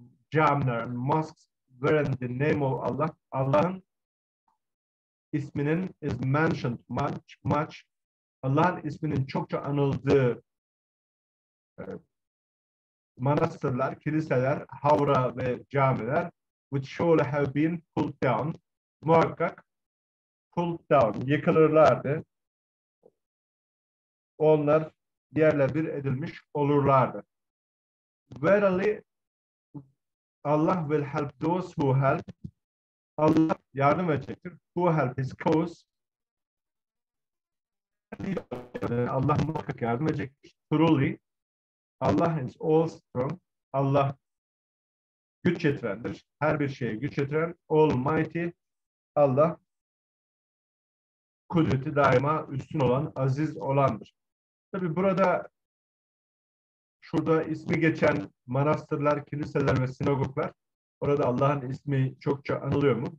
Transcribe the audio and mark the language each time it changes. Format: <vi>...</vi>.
<tr>camiler</tr> <en>and mosques where in the name of Allah,</en> <tr>Allah'ın isminin</tr> <en>is mentioned much,</en> <tr>Allah'ın isminin çokça anıldığı manastırlar, kiliseler, havra ve camiler</tr> <en>which should have been pulled down,</en> <tr>muhakkak</tr> <en>pulled down,</en> <tr>yıkılırlardı. Onlar yerle bir edilmiş olurlardı.</tr> <en>Verily Allah will help those who help.</en> <tr>Allah yardım edecektir.</tr> <en>Who help his cause.</en> <tr>Allah muhakkak yardım edecektir.</tr> <en>Truly Allah is all strong.</en> <tr>Allah güç yetirendir. Her bir şeye güç yetiren. Almighty Allah kudreti daima üstün olan, aziz olandır. Tabi burada şurada ismi geçen manastırlar, kiliseler ve sinagoglar orada Allah'ın ismi çokça anılıyor mu?</tr>